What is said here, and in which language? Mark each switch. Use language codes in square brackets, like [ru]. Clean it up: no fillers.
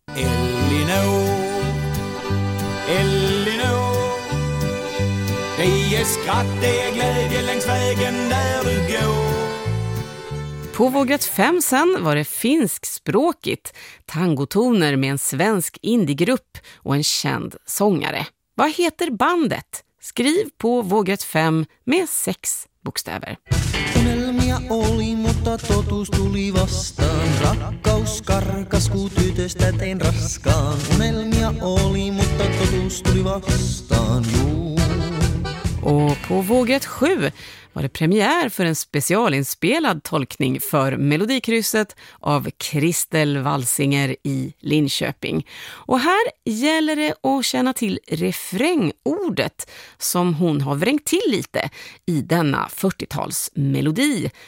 [sv] Elinor, det är skratt, det är glädje längs vägen där du går. På vågrätt 5 sen var det finskspråkigt, tangotoner med en svensk indiegrupp och en känd sångare. Vad heter bandet? Skriv på vågrätt 5 med 6 bokstäver. [fi] Unelmia oli, mutta totuus tuli vastaan. Rakkaus karkas, kun tytöstä tein raskaan. Unelmia oli, mutta totuus tuli vastaan. [sv] Och på vågrätt 7 var det premiär för en specialinspelad tolkning för Melodikrysset av Christel Walsinger i Linköping. Och här gäller det att känna till refrängordet som hon har vrängt till lite i denna 40-talsmelodi.